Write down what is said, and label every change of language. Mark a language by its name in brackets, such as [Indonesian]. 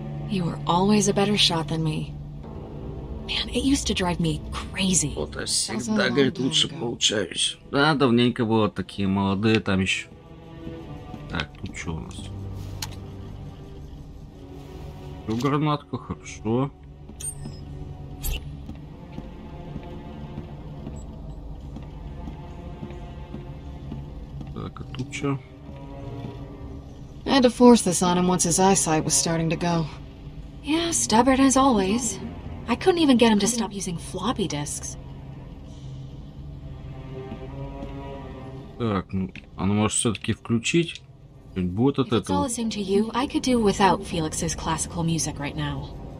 [English] You were always a better shot than me. Man, it used to drive me crazy. [Russian] Вот я всегда, говорит, лучше получаюсь. Да, давненько было такие молодые там еще. Так, тут что у нас? Всё, гранатка, хорошо. Так, а тут что? [English] I had to force this on him once his eyesight was starting to go. Yeah, stubborn as always. I couldn't even get him to stop using floppy disks. [Russian] Так, ну, она может все-таки включить? Будет от этого? [English] If it's all the same to you, I could do without Felix's classical music right now.